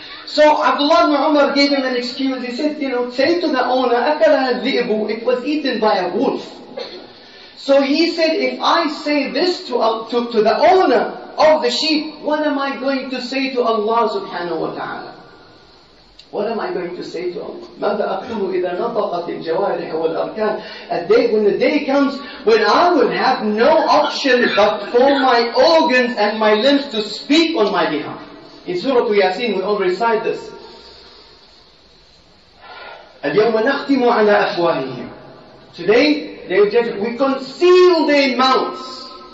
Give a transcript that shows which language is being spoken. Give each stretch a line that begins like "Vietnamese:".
English: So Abdullah ibn Umar gave him an excuse. He said, you know, say to the owner,
Arabic: أكلها الذئب,
English: it was eaten by a wolf. So he said, if I say this to the owner of the sheep, what am I going to say to Allah subhanahu wa ta'ala? What am I going to say to Allah?
Arabic: ماذا أقول إذا نطقت الجوارح والأركان?
English: When the day comes, when I will have no option but for my organs and my limbs to speak on my behalf. In Surah Yasin, we all recite this.
Arabic: اليوم نختم على أفواههم.
English: Today, they just, we conceal their mouths.